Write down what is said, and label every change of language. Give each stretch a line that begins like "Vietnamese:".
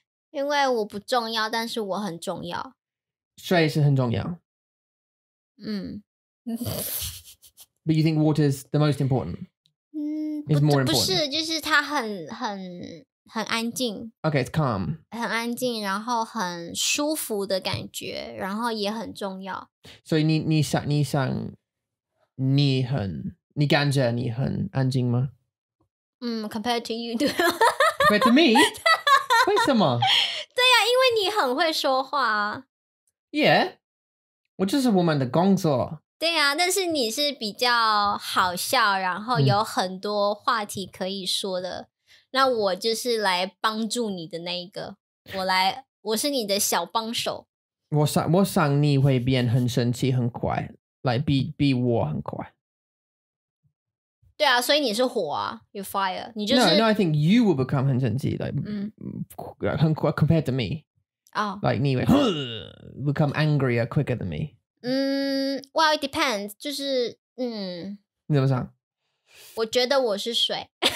Chinese: 因为我不重要，但是我很重要。水是很重要。
English: But you think water is the most important? It's more important.
Chinese: 不是，就是它很安静。
English: Okay, it's calm.
Chinese: 很安静，然后很舒服的感觉，然后也很重要。所以你想，你感觉你很安静吗？
English: Compared to you,
Chinese: 对。
English: Compared to me?
Chinese: 为什么？对呀，因为你很会说话。 Yeah, 我就是我们的工作。对啊，但是你是比较好笑，然后有很多话题可以说的。那我就是来帮助你的那一个，我是你的小帮手。我想你会变很生气很快，来比我很快。对啊，所以你是火啊 ，
English: you fire，
Chinese: 你就是。
English: No, I think you will become
Chinese: 很生气
English: ，like
Chinese: 很快
English: compared to me。 Like
Chinese: 你会
English: become angrier quicker than me。 Well, it depends.
Chinese: 就是你怎么想？我觉得我是水。